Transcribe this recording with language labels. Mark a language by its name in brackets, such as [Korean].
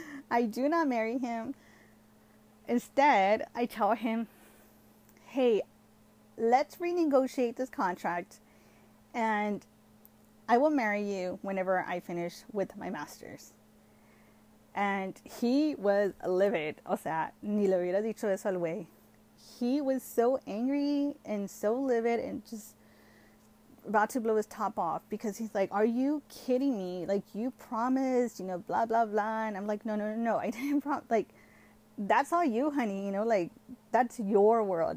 [English] I do not marry him. Instead, I tell him, hey, let's renegotiate this contract and I will marry you whenever I finish with my master's. And he was livid. [Spanish] O sea, ni le hubiera dicho eso al güey. [English] He was so angry and so livid and just about to blow his top off because he's like, are you kidding me? Like, you promised, blah, blah, blah. And I'm like, no, I didn't promise. Like, that's all you, honey, like, that's your world.